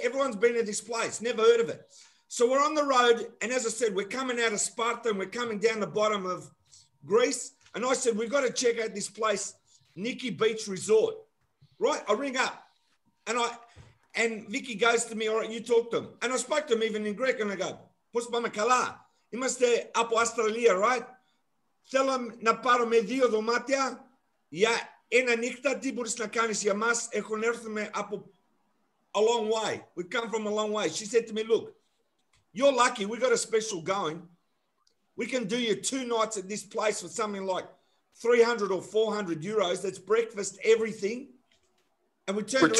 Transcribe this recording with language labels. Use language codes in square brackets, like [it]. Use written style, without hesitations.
[en] Everyone's been to this place, never heard of it. So we're on the road, and as I said, we're coming out of Sparta, and we're coming down the bottom of Greece. And I said, we've got to check out this place, Nikki Beach Resort, right? I ring up, and Vicky goes to me, all right, you talk to him. And I spoke to him even in Greek, and I go, [el] pos pame kala? Είμαστε από Αυστραλία, [en] right? [el] Θέλω να πάρουμε δύο δωμάτια για ένα νύχτα. Τι μπορείς να κάνεις για μας? Έχουν έρθει από [en] a long way. We come from a long way. She said to me, look, you're lucky. We got a special going. We can do you two nights at this place for something like 300 or 400 euros. That's breakfast, everything. And we turned